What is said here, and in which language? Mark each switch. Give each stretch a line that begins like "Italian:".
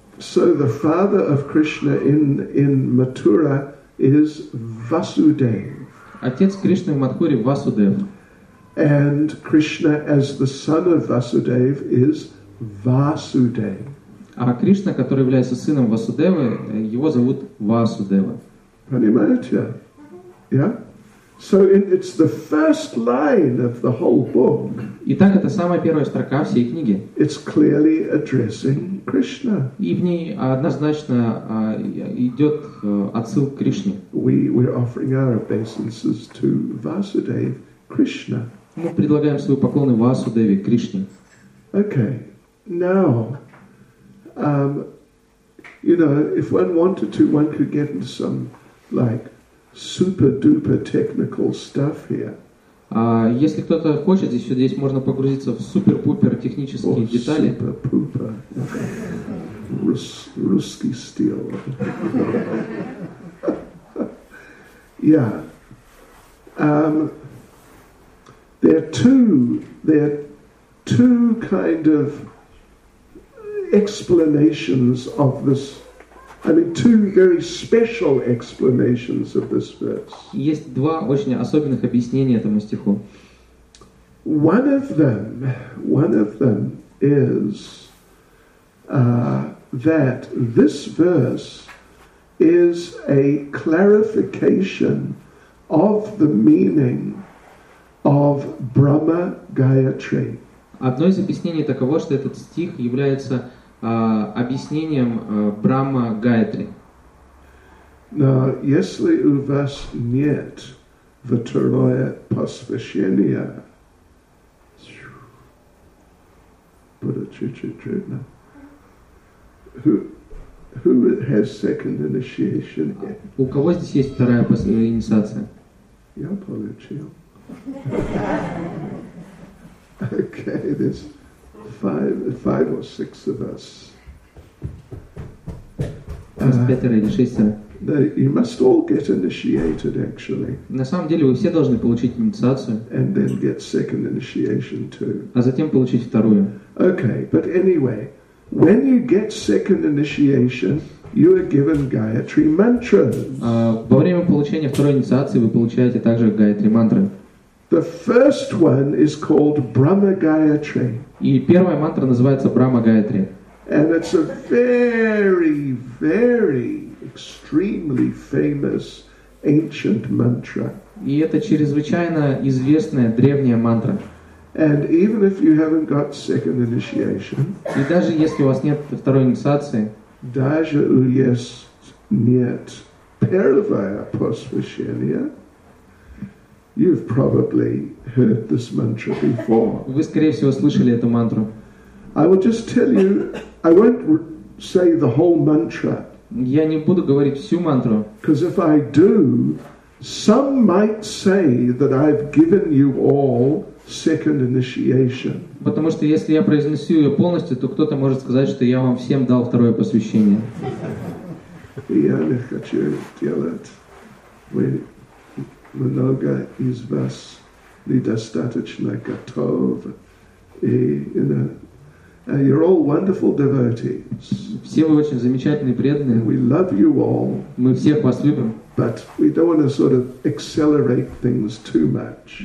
English: So the father of Krishna in Mathura is Vasudev.
Russian: Отец Кришны в Матхуре Васудев.
English: And Krishna as the son of Vasudev is Vasudev.
Russian: А Кришна, который является сыном Васудевы, его зовут Васудева. Понимаете? Yeah?
English: So it's the first line of the whole book.
Russian: Итак, это самая первая строка всей книги.
English: It's clearly addressing Krishna.
Russian: И в ней однозначно идет отсыл к Кришне.
English: We're offering our obeisances to Vasudev, Krishna.
Russian: Мы предлагаем свои поклоны Васудеве, Кришне.
English: Okay. Now, you know, if one wanted to, one could get into some like super duper technical stuff here.
Russian: Если кто-то хочет, здесь можно погрузиться в супер пупер технические детали.
English: Super pooper.
Russian: Русский стиль.
English: Yeah. There are two kind of explanations of this. I mean, two very special explanations of this verse.
Russian: Есть два очень особенных объяснения этому стиху.
English: One of them is that this verse is a clarification of the meaning of Brahma Gayatri.
Russian: Одно из объяснений таково, что этот стих является объяснением Брахма Гаятри. Now, если у вас нет второе посвящение, будет чуть-чуть трудно.
English: Who has second initiation?
Russian: У кого здесь есть вторая инициация? Я получил.
English: Okay, there's five or six of us. You must all get initiated, actually.
Russian: На самом деле, вы все должны получить инициацию.
English: And then get second initiation too.
Russian: А затем получить вторую.
English: Okay, but anyway, when you get second initiation, you are given Gayatri mantras.
Russian: Во время получения второй инициации вы получаете также Гаятри мантры.
English: The first one is called Brahma Gayatri.
Russian: И первая мантра называется Брахма Гаятри.
English: And it's a very, very extremely famous ancient mantra.
Russian: И это чрезвычайно известная древняя мантра.
English: And even if you haven't got second initiation,
Russian: и даже если у вас нет второй инициации, даже у вас нет первого посвящения,
English: you've probably heard this mantra before.
Russian: Вы скорее всего слышали эту мантру.
English: I will just tell you, I won't say the whole mantra.
Russian: Я не буду говорить всю мантру.
English: Because if I do, some might say that I've given you all second initiation.
Russian: Потому что если я произнесу ее полностью, то кто-то может сказать, что я вам всем дал второе посвящение. Я не хочу делать. Много из вас недостаточно готовы.
English: You're all wonderful devotees.
Russian: Все вы очень замечательные преданные.
English: We love you all.
Russian: Мы всех вас любим.
English: But we don't want to sort of accelerate things too much.